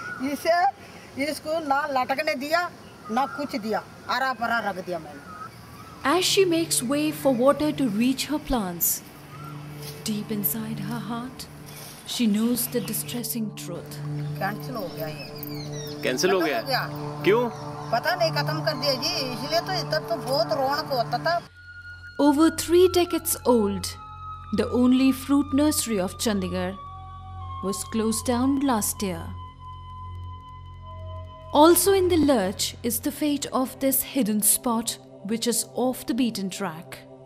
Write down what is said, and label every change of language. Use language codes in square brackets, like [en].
[hi] इसे इसको ना लटकने दिया ना कुछ दिया आरा परा रख दिया मैंने. [en] As she makes way for water to reach her plants, deep inside her heart, she knows the distressing truth. [hi] Cancel हो गया ये. कैंसिल हो गया. क्यों? पता नहीं खत्म कर दिया जी इसलिए तो इधर तो बहुत रौनक होता था. [en] Over 3 decades old, the only fruit nursery of Chandigarh was closed down last year. Also in the lurch is the fate of this hidden spot, which is off the beaten track.